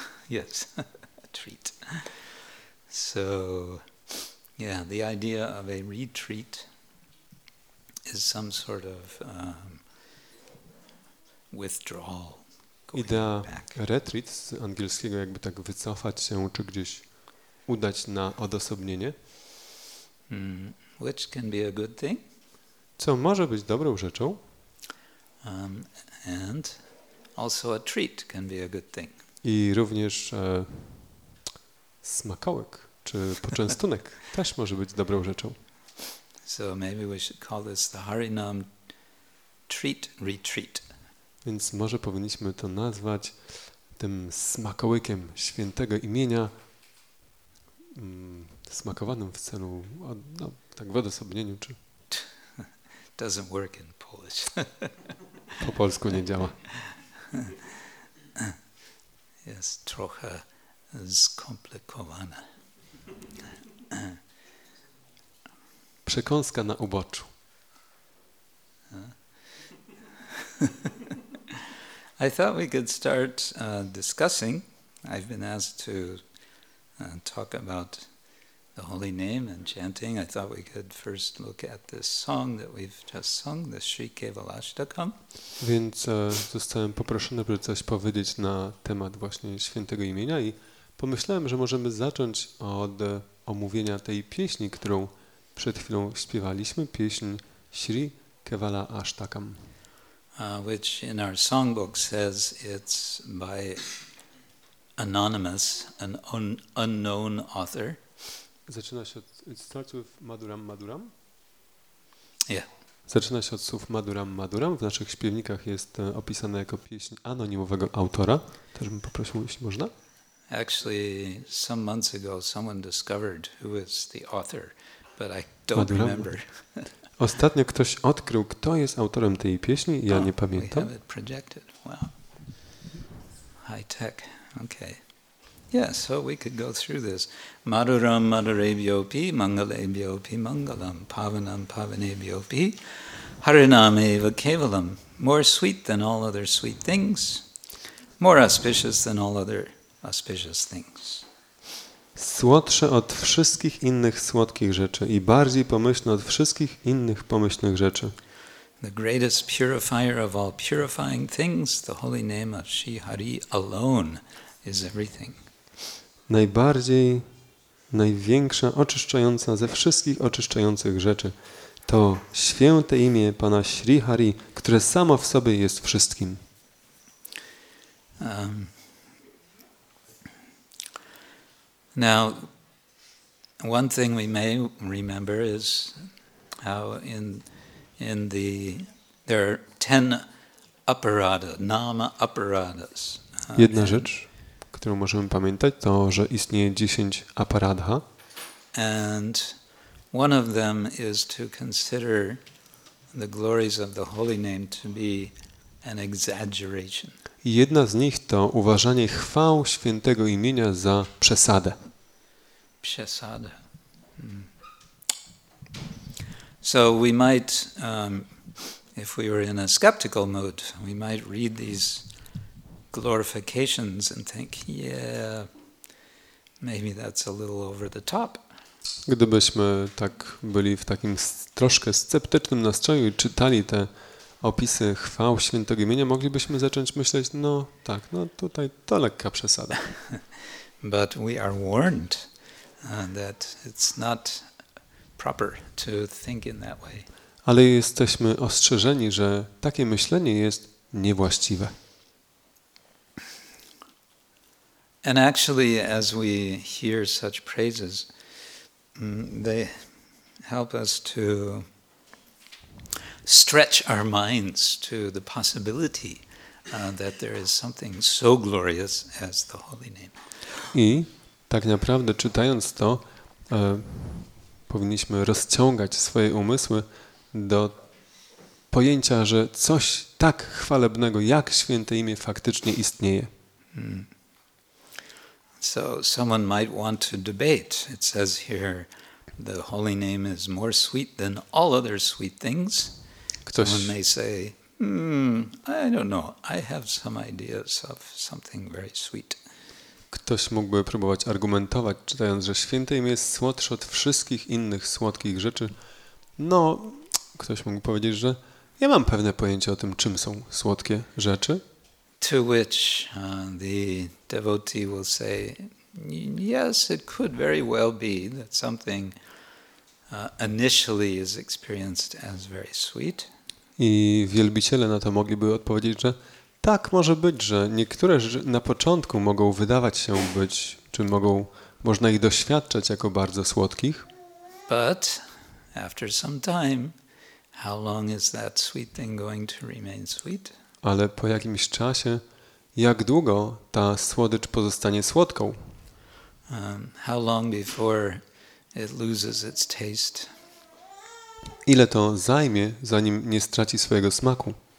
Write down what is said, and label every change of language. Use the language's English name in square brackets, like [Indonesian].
[English] Yes, treat. So, yeah, the idea of a retreat is some sort of withdrawal. [Polish] Idea retreat z angielskiego, jakby tak wycofać się, czy gdzieś udać na odosobnienie. [English] Which can be a good thing. [Polish] Co może być dobrą rzeczą. [English] And also a treat can be a good thing. [Polish] I również smakołek. Czy poczęstunek też może być dobrą rzeczą. [English] So maybe we should call this the Harinam Treat Retreat. [Polish] Więc może powinniśmy to nazwać tym smakołykiem świętego imienia, smakowanym w celu, no, tak w odosobnieniu, czy... [English] Doesn't work in Polish. [Polish] Po polsku nie działa. Jest trochę skomplikowane. Przekąska na uboczu. [English] I thought we could start discussing. I've been asked to talk about the holy name and chanting. I thought we could first look at this song that we've just sung, the Sri Kevalashtakam. [Polish] Więc zostałem poproszony, by coś powiedzieć na temat właśnie świętego imienia i pomyślałem, że możemy zacząć od omówienia tej pieśni, którą przed chwilą śpiewaliśmy, pieśń Sri Kevala Ashtakam. [English] Which in our songbook says it's by anonymous, an unknown author. [Polish] Zaczyna się od, [English] it starts with Maduram Maduram? Yeah. [Polish] Zaczyna się od słów Maduram Maduram. W naszych śpiewnikach jest opisana jako pieśń anonimowego autora. Też bym poprosił, jeśli można. [English] Actually, some months ago, someone discovered who is the author, but I don't remember. [Polish] Ostatnio ktoś odkrył, kto jest autorem tej pieśni, i ja nie pamiętam. [English] We have it projected. Wow. High tech. Okay. Yeah, so we could go through this. [Sanskrit] Maduram madurebyopi, mangalebyopi, mangalam, pavanam pavanebyopi, harinam eva kevalam. [English] More sweet than all other sweet things, more auspicious than all other auspicious things. [Polish] Słodsze od wszystkich innych słodkich rzeczy i bardziej pomyślne od wszystkich innych pomyślnych rzeczy. [English] The greatest purifier of all purifying things, the holy name of Sri Hari alone is everything. [Polish] Najbardziej, największa, oczyszczająca ze wszystkich oczyszczających rzeczy to święte imię Pana Sri Hari, które samo w sobie jest wszystkim. [English] Now, one thing we may remember is how there are 10 aparada, nama aparadas. [Polish] Jedna rzecz, którą możemy pamiętać, to, że istnieje 10 aparadha. [English] And one of them is to consider the glories of the holy name to be an exaggeration. [Polish] Jedna z nich to uważanie chwał świętego imienia za przesadę. Przesadę. [English] So we might, if we were in a skeptical mood, we might read these glorifications and think, yeah, maybe that's a little over the top. [Polish] Gdybyśmy tak byli w takim troszkę sceptycznym nastroju i czytali te opisy chwał świętego imienia, moglibyśmy zacząć myśleć, no tak, no tutaj to lekka przesada. [English] But we are warned that it's not proper to think in that way. [Polish] Ale jesteśmy ostrzeżeni, że takie myślenie jest niewłaściwe. [English] And actually, as we hear such praises, they help us to stretch our minds to the possibility that there is something so glorious as the holy name. [Polish] I tak naprawdę czytając to, powinniśmy rozciągać swoje umysły do pojęcia, że coś tak chwalebnego jak święte imię faktycznie istnieje. [English] So someone might want to debate. It says here, the holy name is more sweet than all other sweet things. [Polish] Ktoś, [English] someone may say, I don't know. I have some ideas of something very sweet. [Polish] Ktoś mógłby próbować argumentować, czytając, że święte imię jest słodsze od wszystkich innych słodkich rzeczy. No, ktoś mógł powiedzieć, że ja mam pewne pojęcie o tym, czym są słodkie rzeczy. [English] To which the devotee will say, yes, it could very well be that something initially is experienced as very sweet. [Polish] I wielbiciele na to mogliby odpowiedzieć, że tak może być, że niektóre rzeczy na początku mogą wydawać się być, czy mogą, można ich doświadczać jako bardzo słodkich. [English] But after some time, how long is that sweet thing going to remain sweet? [Polish] Ale po jakimś czasie, jak długo ta słodycz pozostanie słodką? [English] How long before it loses its taste? [Polish] Ile to zajmie, zanim nie straci swojego smaku?